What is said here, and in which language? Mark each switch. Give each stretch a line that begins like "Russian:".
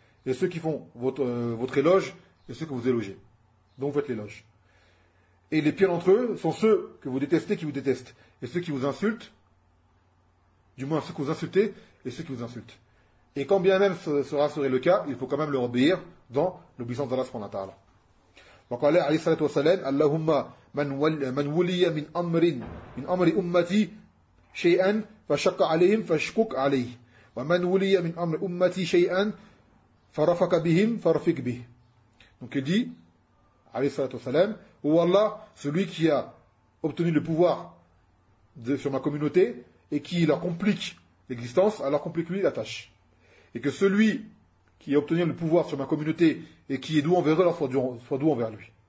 French: Et ceux qui font votre éloge, et ceux que vous élogez. Donc vous faites l'éloge. Et les pires d'entre eux sont ceux que vous détestez, qui vous détestent. Et ceux qui vous insultent, du moins ceux que vous insultez, et ceux qui vous insultent. Et quand bien même cela serait le cas, il faut quand même leur obéir dans l'obéissance d'Allah subhanahu wa ta'ala.
Arabic: وقال عليه الصلاة والسلام اللهم من ولي من أمر أمتي شيئا فشق عليهم فاشكك عليه ومن ولي من أمر أمتي شيئا فرفق بهم فرفق به.
French: Donc il dit
Arabic: عليه الصلاة والسلام,
French: ô Allah, celui qui a obtenu le pouvoir sur ma communauté et qui leur complique l'existence, alors complique lui la tâche. Et que celui qui a obtenu le pouvoir sur ma communauté et qui est doux envers eux, soit doux envers lui.